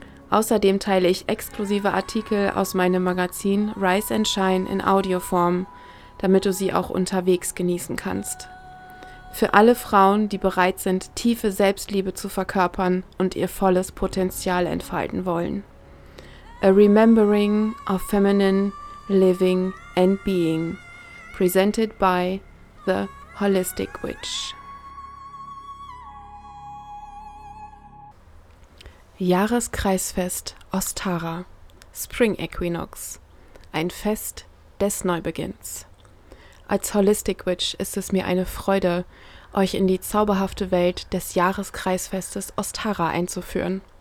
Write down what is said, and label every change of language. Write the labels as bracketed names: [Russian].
[German] Außerdem teile ich exklusive Artikel aus meinem Magazin Rise and Shine in Audioform, damit du sie auch unterwegs genießen kannst. Für alle Frauen, die bereit sind, tiefe Selbstliebe zu verkörpern und ihr volles Potenzial entfalten wollen. [English] A Remembering of Feminine Living and Being, presented by The Holistic Witch. [German] Jahreskreisfest Ostara, Spring Equinox, ein Fest des Neubeginns. Als Holistic Witch ist es mir eine Freude, euch in die zauberhafte Welt des Jahreskreisfestes Ostara einzuführen.